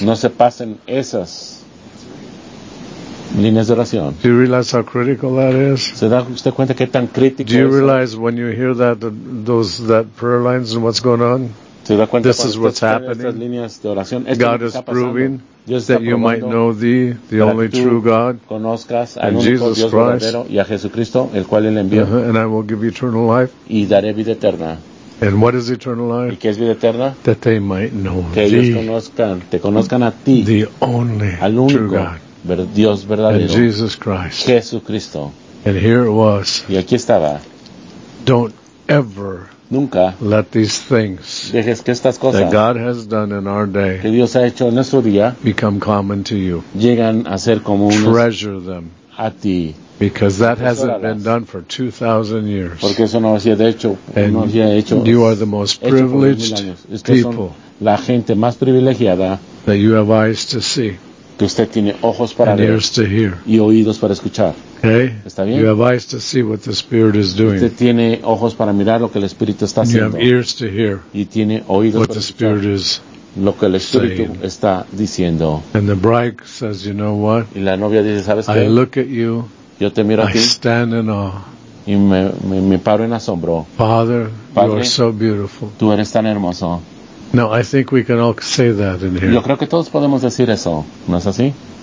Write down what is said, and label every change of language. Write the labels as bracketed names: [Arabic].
[Spanish] No se pasen esas líneas de oración. [English] Do you realize how critical that is? [Spanish] ¿Se da usted cuenta qué tan crítico [English] es? Do you realize when you hear that prayer lines and what's going on? [Spanish] ¿Se da cuenta [English] this is what's happening? [Spanish] Estas líneas de oración. [English] God is proving that you might know the only true God [Spanish] conozcas al Jesus Dios Christ y a Jesucristo, el cual él envió. [English] Uh-huh. And I will give you eternal life. [Spanish] Y daré vida eterna. [English] And what is eternal life? [Spanish] ¿Y qué es vida eterna? [English] That they might know [Spanish] que ellos conozcan, te conozcan a ti, [English] the only [Spanish] al único [English] true God, [Spanish] Dios verdadero, [English] and Jesus Christ. [Spanish] Jesucristo. [English] And here it was. [Spanish] Y aquí estaba. [English] Don't ever [Spanish] nunca [English] let these things [Spanish] dejes que estas cosas [English] that God has done in our day [Spanish] que Dios ha hecho en nuestro día [English] become common to you. [Spanish] Llegan a ser comunes. [English] Treasure them [Spanish] a ti. [English] Because that hasn't been done for 2,000 years. [Spanish] Porque eso no ha sido hecho. [English] And [Spanish] no ha hecho, [English] you are the most privileged people [Spanish] la gente más privilegiada [English] that you have eyes to see. [Spanish] Que usted tiene ojos para [English] and ears to hear. [Spanish] Y oídos para escuchar. [English] Okay? [Spanish] ¿Está bien? [English] You have eyes to see what the Spirit is doing. [Spanish] Usted tiene ojos para mirar lo que el Espíritu está haciendo. [English] You have ears to hear [Spanish] y tiene oídos [English] what [Spanish] escuchar [English] Spirit is [Spanish] lo que el Espíritu [English] saying [Spanish] está diciendo. [English] And the bride says, you know what? [Spanish] Y la novia dice, ¿sabes qué? [English] I look at you, [Spanish] yo te miro a ti. [English] I stand in awe. [Spanish] Y me paro en asombro. [English] Father, Padre, you are so beautiful. [Spanish] Tú eres tan hermoso. [English] No, I think we can all say that in here. [Spanish] Yo creo que todos podemos decir eso, ¿no es así?